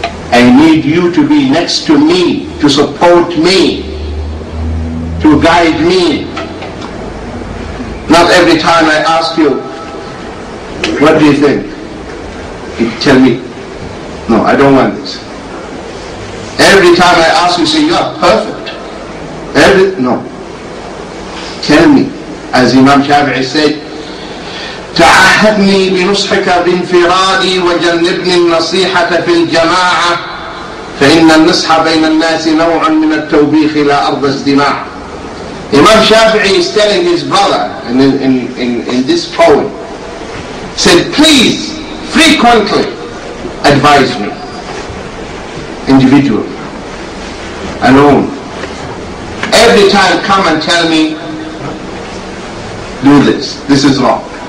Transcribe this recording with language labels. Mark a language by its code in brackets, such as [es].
[en] I need you to be next to me, to support me, to guide me. Not every time I ask you, what do you think? You tell me, no, I don't want this. Every time I ask you, say, you are perfect. No. Tell me, as Imam Shafi'i said, [ar] تعهدني بنصحك بانفرادي وجنبني النصيحة في الجماعة فإن النصح بين الناس نوع من التوبيخ إلى أرض الصدماع. [en] Imam Shafi'i is telling his brother in this poem, said, please frequently advise me individually, alone, every time come and tell me, do this, this is wrong.